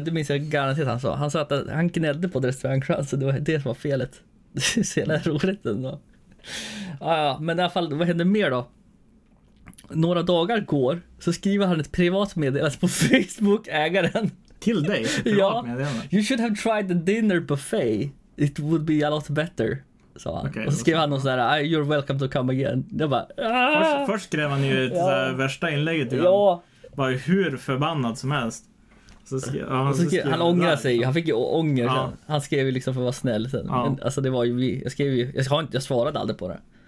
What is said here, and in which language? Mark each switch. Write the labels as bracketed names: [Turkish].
[Swedish] Det minns jag garanterat han sa. Han sa att han gnällde på restaurangfransen, det var det som var felet. Det är så jävla roligt ändå. Ja, men i alla fall, vad händer mer då? Några dagar går, så skriver han ett privat meddelande på Facebook-ägaren. Till dig? Ja. [English] You should have tried the dinner buffet. It would be a lot better. [Swedish] Så okay, och så skrev han något sådär, [English] you're welcome to come again. [Swedish] Jag bara, först skrev han ju ett ja. Värsta inlägg till ja. Han var ju hur förbannad som helst. Han ångrar sig, han fick ju ånger sen. Han skrev ju liksom för att vara snäll sen. Ja. Men, alltså det var ju, jag svarade aldrig på det.